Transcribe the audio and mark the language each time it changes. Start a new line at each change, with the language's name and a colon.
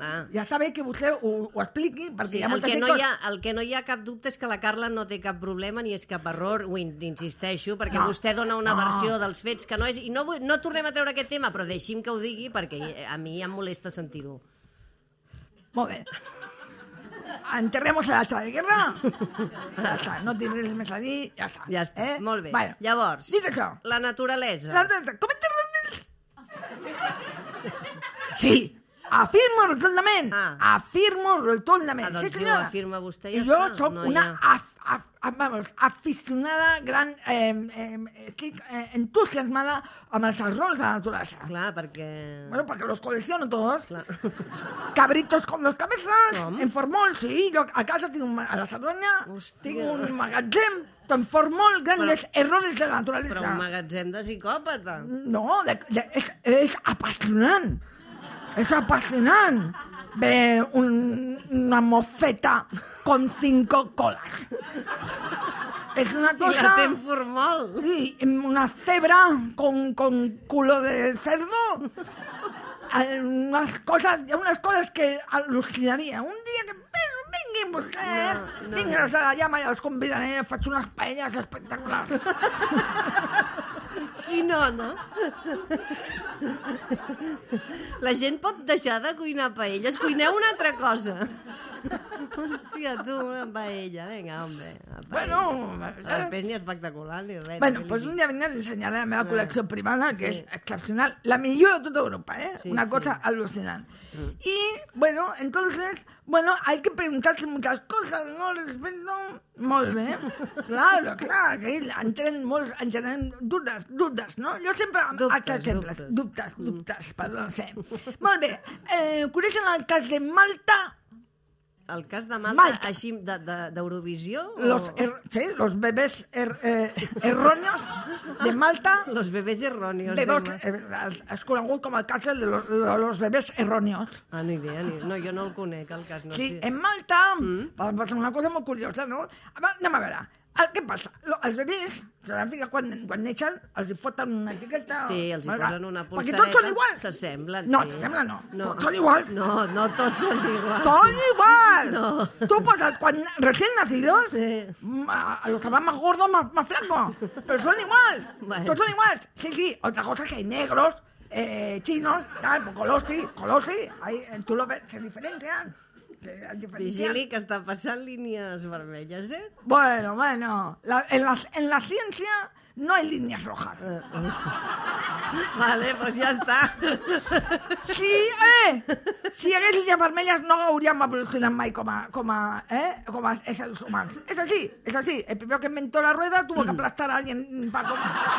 Catalan: Ja està bé que vostè ho expliqui, perquè hi ha moltes coses... El que no hi ha cap dubte és que la Carla no té cap problema ni és cap error, ho insisteixo, perquè vostè dona una versió dels fets que no és... I no tornem a treure aquest tema, però deixi'm que ho digui, perquè a mi em molesta sentir-ho. Molt bé.
Spanish: Enterremos el hacha de guerra.
Catalan: Ja està, no tinc res més a dir, ja està. Ja està, molt bé. Bueno, llavors, la naturalesa. Com et terrenes? Sí, afirmo rotundament. Ah. Afirmo rotundament. Ah, doncs sí, si ho afirma vostè, ja està. Jo sóc aficionada, gran... estic entusiasmada amb els errors de la naturalesa. Clar, perquè...
Spanish: Bueno, perquè los colecciono todos. Clar. Cabritos con dos cabezas, en formol, sí.
Catalan: Jo a casa tinc a la Cerdanya, tinc un magatzem, en formol, grandes errors de la naturalesa. Però un magatzem de psicòpata. No, és apassionant. És apassionant.
Spanish: Ve una mofeta con cinco colas.
Catalan: És una cosa... I la té en formol.
Spanish: Sí, una cebra con culo de cerdo.
Catalan: Unes coses que al·lucinaria. Un dia que vinguin vostès, vinguin a la llama i els convidaré, faig unes paelles espectaculars. Quina ona. La gent pot deixar de cuinar paelles. Cuineu una altra cosa. Hòstia, tu, una paella. Vinga, home. Bueno, després ni espectacular ni res. Bueno, doncs un dia vindré a ensenyar la meva col·lecció privada, que és excepcional. La millor de tot Europa, Una cosa al·lucinant.
Spanish: I, bueno, entonces, bueno, hay que preguntarse muchas cosas, ¿no?
Catalan: Respecto... Molt bé. Claro, que entren molts, en generen dubtes, no? Jo sempre... Dubtes, perdó. Sí. Molt bé. Coneixen el cas de Malta? El cas de Malta així d'Eurovisió?
Spanish: Los bebés erróneos de Malta. Los bebés erróneos de Malta.
Catalan: Es conegut com el cas de los bebés erróneos. Ah, ni idea. Ni... No, jo no el conec, el cas. No, sí, en Malta va passar una cosa molt curiosa, no? Anem a veure. Què passa? Els bebés, quan neixen, els foten una etiqueta... Sí, els posen una polsareta... Perquè tots són iguals! S'assemblen, s'assemblen, no. Tots són iguals! No, tots són iguals. Són iguals! No. Tu poses, quan recién nacidos, los que van más gordos, más flacos, però són iguals! Bueno. Tots són iguals!
Spanish: Sí, otra cosa que hay negros, chinos, tal, colosi, ahí, tú lo ves, se diferencian.
Catalan: Vigili, que està passant línies vermelles, eh? Bueno, bueno, en la ciència no hi ha línies rojas. Vale, pues ja està. Sí, si hi hagués línies vermelles no hauríem evolucionat mai com a éssers humans. És així, és així.
Spanish: El primer que inventó la rueda tuvo que aplastar a alguien para comer.